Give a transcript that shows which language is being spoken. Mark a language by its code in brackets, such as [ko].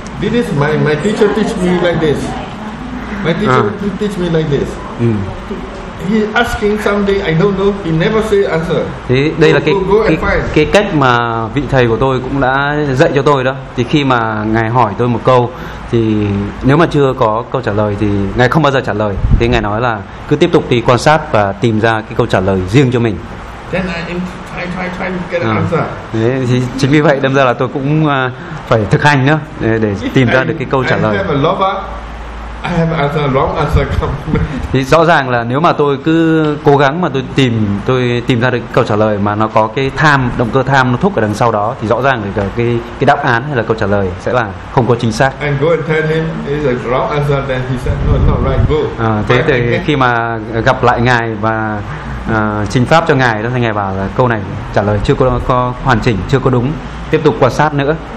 [en] This is my teacher teach me like this. My teacher he teach me like this. He asking something I don't know, he never say answer. [vi] Thì đây là cái cách mà vị thầy của tôi cũng đã dạy cho tôi đó. Thì khi mà ngài hỏi tôi một câu thì nếu mà chưa có câu trả lời thì ngài không bao giờ trả lời. Thì ngài nói là cứ tiếp tục đi quan sát và tìm ra cái câu trả lời riêng cho mình. [en] Then I try to get an answer. [vi] Thì chính vì vậy đâm ra là tôi cũng phải thực hành nữa để tìm ra được cái câu trả lời. [en] I have answer, wrong answer. [vi] Thì rõ ràng là nếu mà tôi cứ cố gắng mà tôi tìm ra được câu trả lời mà nó có cái tham, động cơ tham nó thúc ở đằng sau đó, thì rõ ràng là cái đáp án hay là câu trả lời sẽ là không có chính xác. [en] And go and tell him it's a wrong answer, then he said no, not right, go. [vi] Thế thì khi mà gặp lại ngài và trình pháp cho ngài đó, thì ngài bảo là câu này trả lời chưa có hoàn chỉnh, chưa có đúng, tiếp tục quan sát nữa.